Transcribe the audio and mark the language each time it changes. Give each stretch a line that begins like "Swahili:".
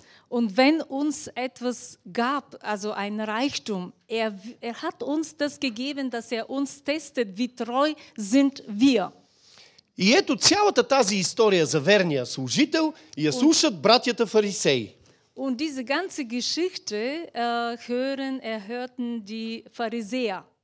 German: Und wenn uns etwas gab, also ein Reichtum, er hat uns das gegeben, dass er uns testet, wie treu sind wir.
Bulgarian: И ето цялата тази история за верния служител я слушат братята фарисеи.
German: Und diese ganze Geschichte erhörten die Pharisäer.